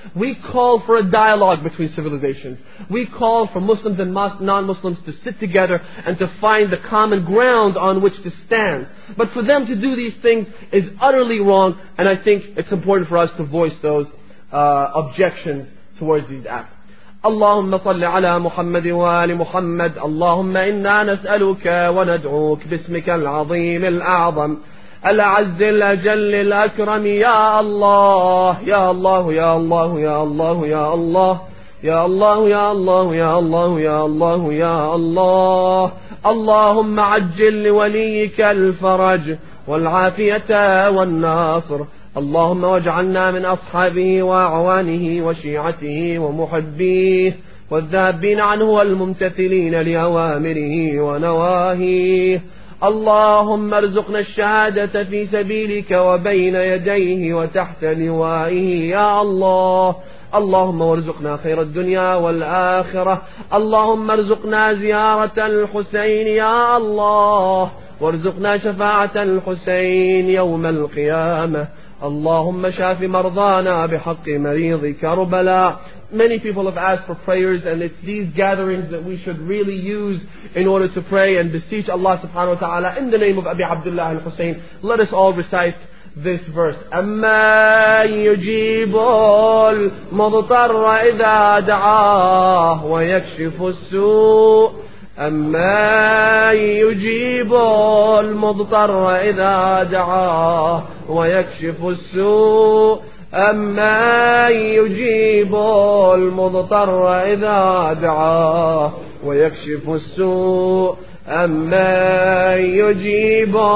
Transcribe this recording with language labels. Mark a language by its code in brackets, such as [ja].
[en] We call for a dialogue between civilizations. We call for Muslims and non-Muslims to sit together and to find the common ground on which to stand. But for them to do these things is utterly wrong, and I think it's important for us to voice those objections towards these acts. [ar] اللهم صل على محمد وآل محمد اللهم إنا نسألك وندعوك باسمك العظيم الأعظم العز الأجل الأكرم يا الله يا الله يا الله يا الله يا الله يا الله يا الله يا الله يا الله يا الله اللهم عجل لوليك الفرج والعافية والناصر اللهم واجعلنا من أصحابه وأعوانه وشيعته ومحبيه والذابين عنه والممتثلين لأوامره ونواهيه اللهم ارزقنا الشهادة في سبيلك وبين يديه وتحت لوائه يا الله اللهم وارزقنا خير الدنيا والآخرة اللهم ارزقنا زيارة الحسين يا الله وارزقنا شفاعة الحسين يوم القيامة اللهم شاف مرضانا بحق مريض كربلاء. [en] Many people have asked for prayers, and it's these gatherings that we should really use in order to pray and beseech Allah subhanahu wa ta'ala in the name of Abi Abdullah al-Husayn. Let us all recite this verse. [ar] Amma yujibu al-mudtarra idha da'ah wa yakshifu al-su' Amma yujibu al-mudtarra idha da'ah wa yakshifu al-su' أَمَّا يُجِيبُ الْمُضْطَرَّ إِذَا دَعَاهُ وَيَكْشِفُ السُّوءَ أَمَّا يُجِيبُ